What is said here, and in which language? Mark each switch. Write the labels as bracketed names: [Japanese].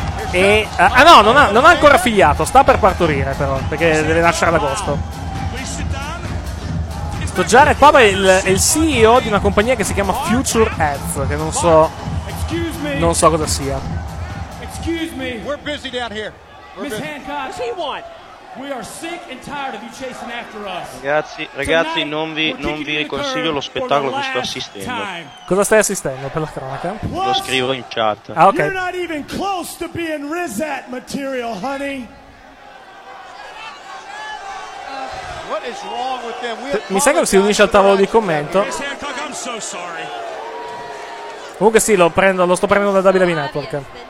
[Italian] E non ha ancora figliato, sta per partorire però, perché deve nascere ad agosto. Sto Jared Pobre è il CEO di una compagnia che si chiama Future Ads, che non so cosa sia. [English] Excuse me, we're busy down here. Miss Hancock, what's he want? We are sick and tired of you chasing after us. [Italian] Ragazzi, non vi riconsiglio lo spettacolo che sto assistendo. Cosa stai assistendo per la cronaca? Lo scrivo in chat. Ah, ok. [English] You're not even close to being Rizat material, honey. What is wrong with them? [Italian] Mi sa che si unisce al tavolo di commento. [English] I'm so sorry. [Italian] Comunque sì, lo sto prendendo da WWE Network.